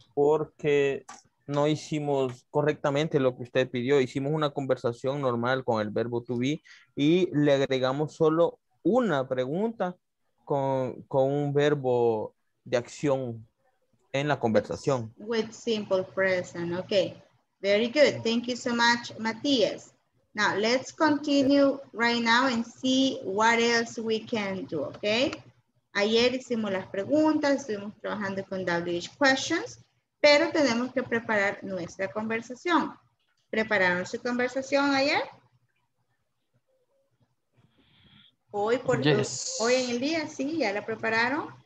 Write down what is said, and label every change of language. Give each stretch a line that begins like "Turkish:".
Spanish: Porque no hicimos correctamente lo que usted pidió. Hicimos una conversación normal con el verbo to be y le agregamos solo una pregunta con un verbo de acción en la conversación.
English: With simple present. Okay. Very good. Thank you so much, Matías. Now, let's continue right now and see what else we can do, okay?
Spanish: Ayer hicimos las preguntas, estuvimos trabajando con WH questions. Pero tenemos que preparar nuestra conversación. ¿Prepararon su conversación ayer? Hoy por
English: yes.
Spanish: Hoy en el día, sí, ya la prepararon.